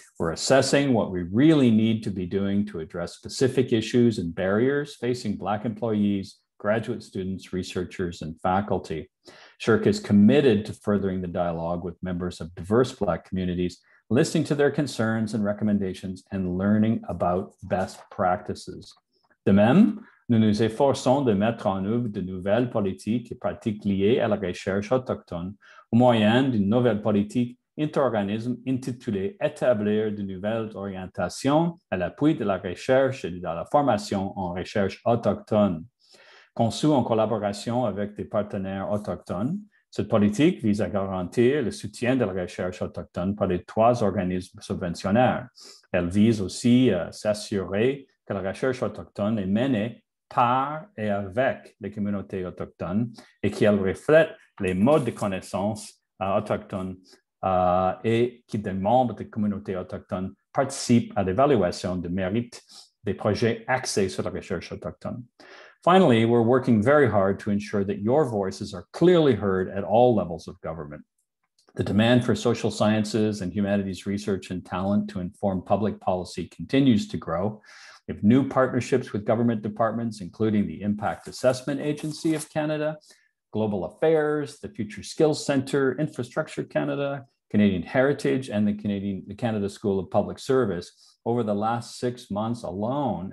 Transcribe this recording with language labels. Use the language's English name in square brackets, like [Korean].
[English] We're assessing what we really need to be doing to address specific issues and barriers facing Black employees, graduate students, researchers, and faculty. SSHRC is committed to furthering the dialogue with members of diverse Black communities, listening to their concerns and recommendations, and learning about best practices. [French] De même, nous nous efforçons de mettre en œuvre de nouvelles politiques et pratiques liées à la recherche autochtone au moyen d'une nouvelle politique inter-organisme intitulée Établir de nouvelles orientations à l'appui de la recherche et de la formation en recherche autochtone. Conçue en collaboration avec des partenaires autochtones, cette politique vise à garantir le soutien de la recherche autochtone par les trois organismes subventionnaires. Elle vise aussi à s'assurer que la recherche autochtone est menée par et avec les communautés autochtones et qu'elle reflète les modes de connaissance autochtones et que des membres des communautés autochtones participent à l'évaluation de mérite des projets axés sur la recherche autochtone. [English] Finally, we're working very hard to ensure that your voices are clearly heard at all levels of government. The demand for social sciences and humanities research and talent to inform public policy continues to grow. We have new partnerships with government departments, including the Impact Assessment Agency of Canada, Global Affairs, the Future Skills Centre, Infrastructure Canada, Canadian Heritage, and the Canada School of Public Service over the last 6 months alone.